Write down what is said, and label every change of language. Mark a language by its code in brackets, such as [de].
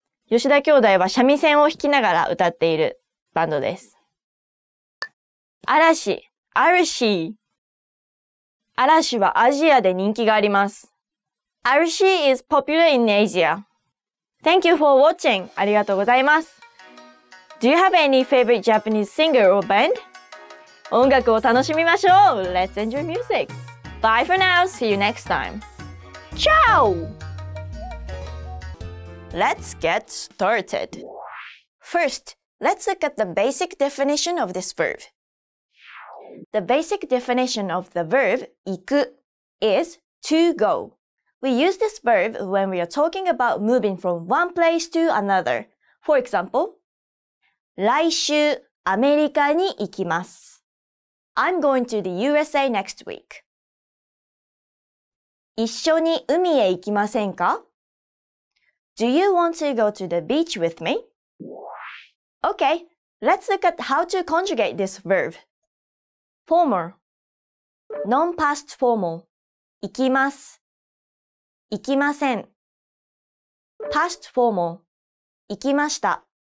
[ja] 吉田兄弟は三味線を弾きながら歌っているバンドです。嵐はアジアで人気があります。 [en] 嵐 is popular in Asia. Thank you for watching. [ja] ありがとうございます。 [en] Do you have any favorite Japanese singer or band? [ja] 音楽を楽しみましょう。 [en] Let's enjoy music. Bye for now. See you next time. [it] Ciao! [en] Let's get started. First, let's look at the basic definition of this verb. The basic definition of the verb 行く is to go. We use this verb when we are talking about moving from one place to another. For example, [ja] 来週アメリカに行きます。 [en] I'm going to the USA next week. [ja] 一緒に海へ行きませんか? [en] Do you want to go to the beach with me? Okay, let's look at how to conjugate this verb. Former. Non-past formal. [ja] 行きます。行きません。 [en] Past formal. [ja] 行きました。